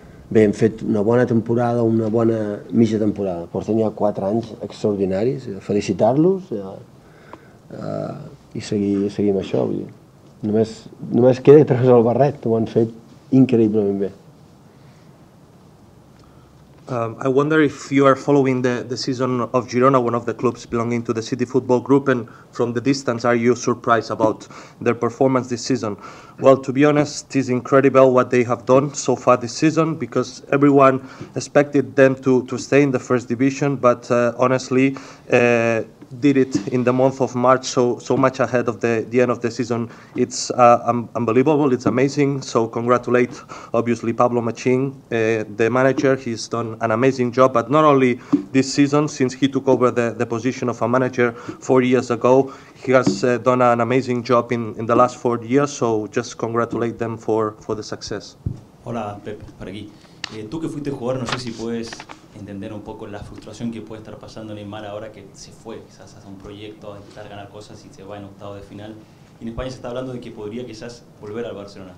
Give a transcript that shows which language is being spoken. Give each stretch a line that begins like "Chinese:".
Catalan: Bé, hem fet una bona temporada, una bona mitja temporada, porten ja 4 anys extraordinaris, felicitar-los i seguir amb això, vull dir. Només queda tres el barret, ho han fet increïblement bé.
English: I wonder if you are following the season of Girona, one of the clubs belonging to the City Football Group, and from the distance, are you surprised about their performance this season? Well, to be honest, it is incredible what they have done so far this season, because everyone expected them to stay in the first division, but honestly, did it in the month of March, so much ahead of the end of the season. It's unbelievable. It's amazing. So congratulate, obviously, Pablo Machin, the manager. He's done an amazing job. But not only this season, since he took over the position of a manager 4 years ago, he has done an amazing job in the last 4 years. So just congratulate them for the success.
Spanish: Hola, Pep, por aquí. Tú que fuiste jugador, no sé si puedes entender un poco la frustración que puede estar pasando Neymar ahora que se fue, quizás hace un proyecto a intentar ganar cosas y se va en octavo de final. Y en España se está hablando de que podría quizás volver al Barcelona.